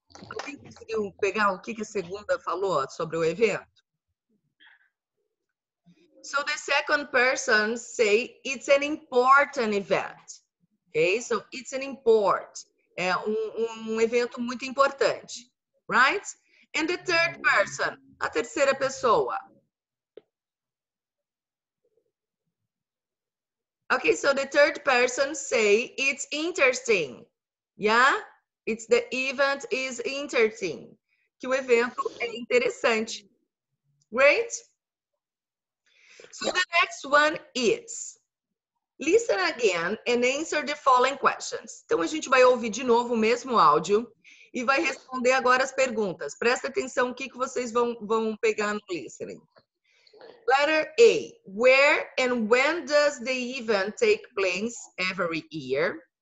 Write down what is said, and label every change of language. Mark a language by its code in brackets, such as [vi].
[pt] Alguém conseguiu pegar o que a segunda falou sobre o evento? [en] So, the second person say it's an important event, ok? So, it's an important. [pt] É um evento muito importante, [en] right? And the third person, [pt] a terceira pessoa. [en] Okay, so the third person say it's interesting, yeah? It's the event is interesting, [pt] que o evento é interessante, [en] right? So the next one is... Listen again and answer the following questions. [pt] Então, a gente vai ouvir de novo o mesmo áudio e vai responder agora as perguntas. Presta atenção o que vocês vão pegar no listening. [en] Letter A. Where and when does the event take place every year?